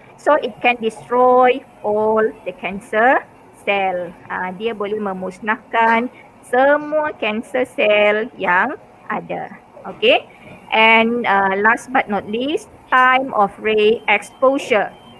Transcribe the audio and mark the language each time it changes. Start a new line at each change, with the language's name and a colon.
English: So it can destroy all the cancer cell.
Malay: Dia boleh memusnahkan semua cancer cell yang ada. Okay.
English: And last but not least, time of ray exposure.